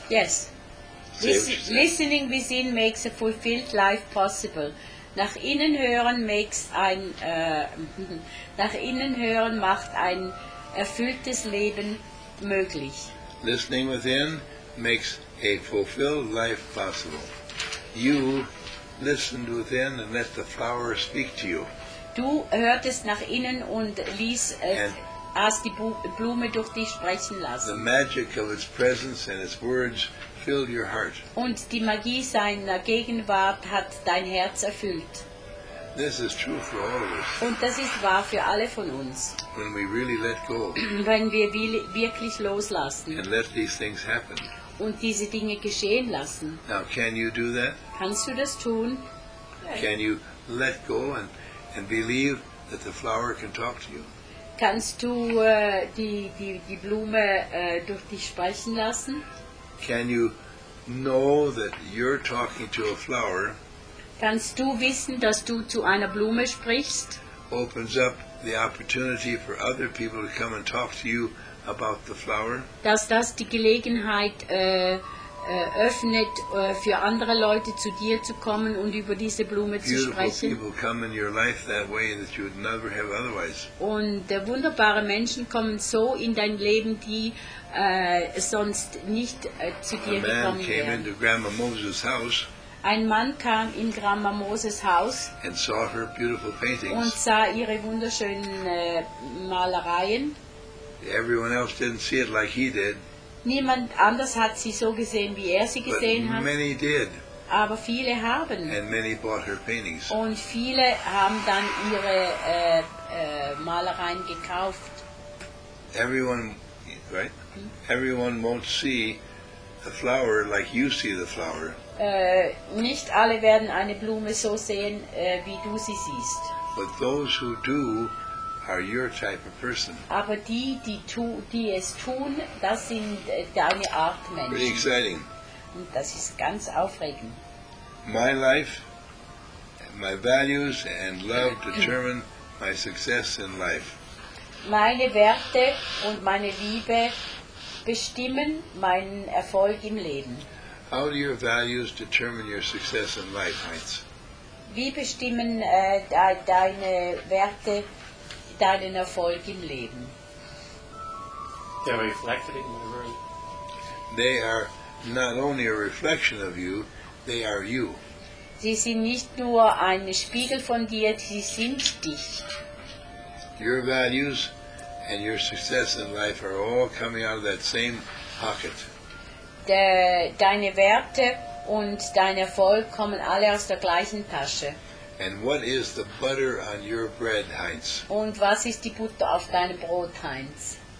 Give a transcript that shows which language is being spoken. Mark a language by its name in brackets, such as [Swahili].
[English] Yes. Listening within makes a fulfilled life possible. [German] Nach innen hören [English] makes [German] ein nach innen hören macht ein erfülltes Leben möglich. [English] Listening within makes a fulfilled life possible. You listened within and let the flower speak to you. [German] Du hörtest nach innen und hast die Blume durch dich sprechen lassen. [English] The magic of its presence and its words filled your heart. [German] Und die Magie seiner Gegenwart hat dein Herz erfüllt. [English] This is true for all of us. [German] Und das ist wahr für alle von uns. [English] When we really let go. [German] Wenn wir wirklich loslassen. [English] And let these things happen. [German] Und diese Dinge geschehen lassen. [English] Now, can you do that? [German] Kannst du das tun? [English] Can you let go and believe that the flower can talk to you? [German] Kannst du die Blume durch dich sprechen lassen? [English] Can you know that you're talking to a flower? [German] Kannst du wissen, dass du zu einer Blume sprichst? [English] Opens up the opportunity for other people to come and talk to you about the flower? [German] Dass das die Gelegenheit öffnet für andere Leute zu dir zu kommen und über diese Blume zu sprechen. [English] People come in your life that way that you would never have otherwise. [German] Und wunderbare Menschen kommen so in dein Leben, die sonst nicht zu dir gekommen wären. [English] A man came into Grandma Moses' house. [German] Ein Mann kam in Grandma Moses' Haus [English] and saw her beautiful paintings. [German] Und sah ihre wunderschönen Malereien. [English] Everyone else didn't see it like he did. [German] Niemand anders hat sie so gesehen, wie er sie gesehen hat. [English] Many did. [German] aber viele haben. [English] And many bought her paintings. [German] Und viele haben dann ihre Malereien gekauft. [English] Everyone, right? Hm? Everyone won't see the flower like you see the flower. [German] Nicht alle werden eine Blume so sehen, wie du sie siehst. [English] But those who do are your type of person. [German] Aber die es tun, das sind deine Art Menschen. [English] Pretty exciting. [German] Und das ist ganz aufregend. [English] My life, my values and love determine my success in life. [German] Meine Werte und meine Liebe bestimmen meinen Erfolg im Leben. [English] How do your values determine your success in life, Heinz? [German] Wie bestimmen deine Werte deinen Erfolg im Leben? [English] They are reflected in the world. They are not only a reflection of you, they are you. [German] Sie sind nicht nur ein Spiegel von dir, sie sind dich. [English] Your values and your success in life are all coming out of that same pocket. [German] Deine Werte und dein Erfolg kommen alle aus der gleichen Tasche. [English] And what is the butter on your bread, Heinz? [German] Und was ist die Butter auf deinem Brot, Heinz?